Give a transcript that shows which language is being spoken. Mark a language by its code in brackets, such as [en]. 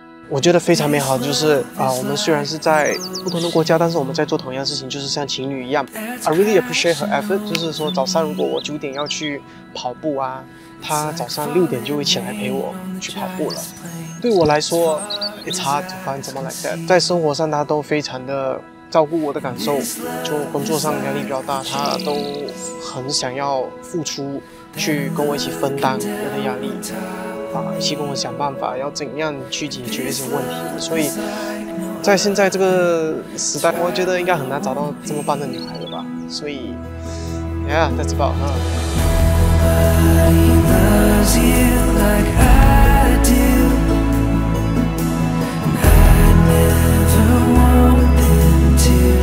[zh] 我觉得非常美好，就是啊，我们虽然是在不同的国家，但是我们在做同样事情，就是像情侣一样。 [en] I really appreciate her effort， [zh] 就是说早上如果我九点要去跑步啊，她早上六点就会起来陪我去跑步了。对我来说 [en] ，it's hard to find someone like that。 [zh] 在生活上，她都非常的照顾我的感受，就工作上压力比较大，她都很想要付出，去跟我一起分担我的压力。一起跟我想办法要怎样去解决一些问题，所以在现在这个时代，我觉得应该很难找到这么棒的女孩了吧。所以 [en] yeah that's about her。 Nobody loves you like I do and I never want them to。